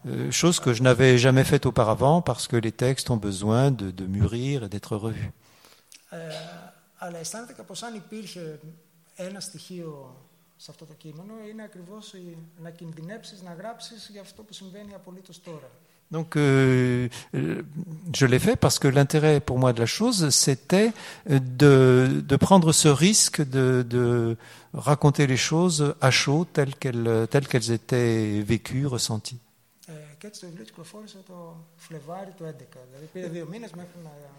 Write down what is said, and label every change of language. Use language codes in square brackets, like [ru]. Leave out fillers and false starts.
[fr] Chose que je n'avais jamais faite auparavant parce que les textes ont besoin de mûrir et d'être revus. [el] Αλλά αισθάνθηκα πως αν υπήρχε ένα στοιχείο σε αυτό το κείμενο είναι ακριβώς να κινδυνέψεις, να γράψεις για αυτό που συμβαίνει απολύτως τώρα. [fr] Donc, je l'ai fait parce que l'intérêt pour moi de la chose, c'était de prendre ce risque de raconter les choses à chaud, telles qu'elles étaient vécues, ressenties. [el] Και έτσι το βιβλίο κυκλοφόρησε το Φλεβάρι του 2011. Δηλαδή πήρε δύο μήνες μέχρι να...